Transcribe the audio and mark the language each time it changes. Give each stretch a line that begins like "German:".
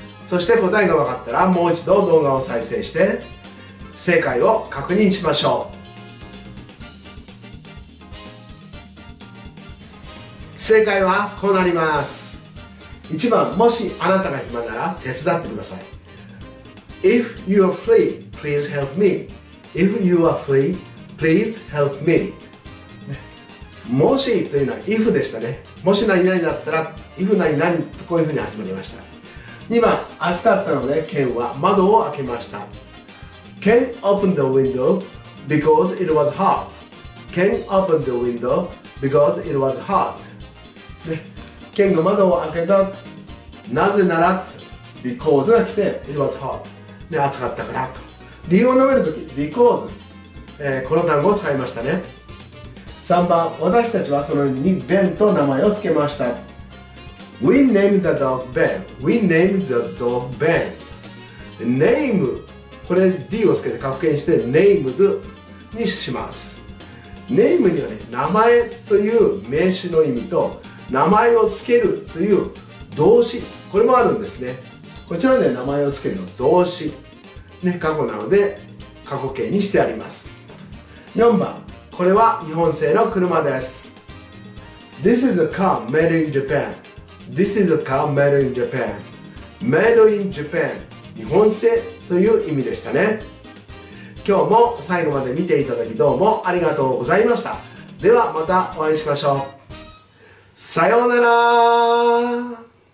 Japanese: そして答えが分かったらもう一度動画を再生して正解を確認しましょう。正解はこうなります。1番、もしあなたが暇なら手伝ってください。
English: If you are free, please help me. If you are free, please help me。
Japanese: もしというのは if でしたね。もし何々だったら if 何々とこういうふうに始まりました。 2番、暑かったのでケンは窓を開けました。
English: Ken opened the window because it was hot。 Ken opened the window because it was hot。
Japanese: Ken が窓を開けた、なぜなら because が来て
English: it was hot、
Japanese: で暑かったからと。理由を述べるとき because、この単語を使いましたね。 3番、私たちはその犬にベンと名前を付けました。
English: We named the dog Ben。 We named the dog Ben。
Japanese: Name、 これ D をつけて格言して named にします。 Name にはね、名前という名詞の意味と名前を付けるという動詞、これもあるんですね。こちらで名前を付けるの動詞ね、過去なので過去形にしてあります。 4番、これは日本製の車です。
English: This is a car made in Japan. This is a car made in Japan. Made in Japan.
Japanese: 日本製という意味でしたね。今日も最後まで見ていただきどうもありがとうございました。ではまたお会いしましょう。さようなら。